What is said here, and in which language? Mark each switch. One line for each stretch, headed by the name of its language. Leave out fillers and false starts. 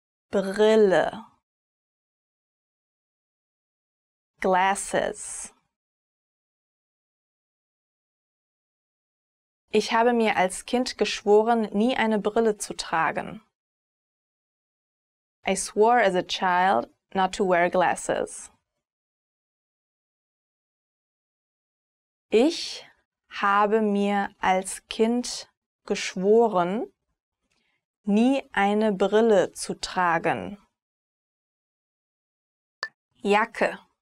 German: Brille.
English: Glasses.
German: Ich habe mir als Kind geschworen, nie eine Brille zu tragen.
English: I swore as a child not to wear glasses.
German: Ich habe mir als Kind geschworen, nie eine Brille zu tragen. Jacke.